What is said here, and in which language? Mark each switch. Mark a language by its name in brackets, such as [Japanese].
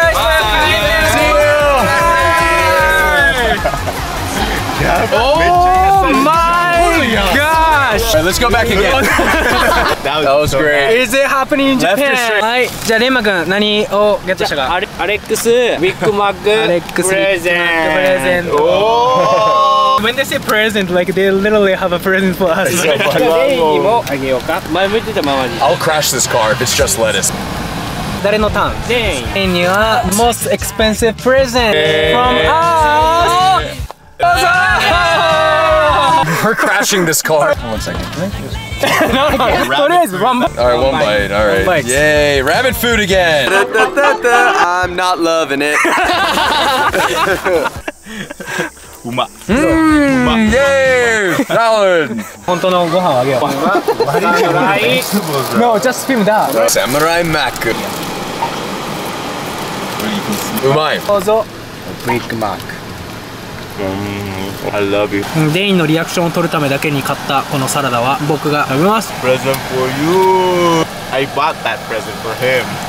[English] Bye. See you. Bye. Oh my gosh. All right, let's go back again. that was great. Is it happening in Japan? Left for sure. [Japanese] はい。じゃあレンマ君、何をゲットしたか。アレックス、ビッグマック、アレックス、プレゼント。プレゼント。 [English] Oh! When they say present, like they literally have a present for us. [Japanese] じゃあレンマにもあげようか。前向いてたままに。 [English] I'll crash this car if it's just lettuce. [Japanese] 誰のターン？デイン。デインには [English] most expensive present from us. [Japanese] どうぞ。 [English] We're crashing this car. One second. No, no. What is one bite? All right, one bite. All right. Yay, rabbit food again. I'm not loving it. [Japanese] うま。 [English] Yeah, that one. [Japanese] 本当のご飯をあげよう。 [English] No, just film that. Samurai Mac. [Japanese] うまい。どうぞ。 [English] Big Mac. I love you. [Japanese] デインのリアクションを取るためだけに買ったこのサラダは僕が食べます。 [English] Present for you. I bought that present for him.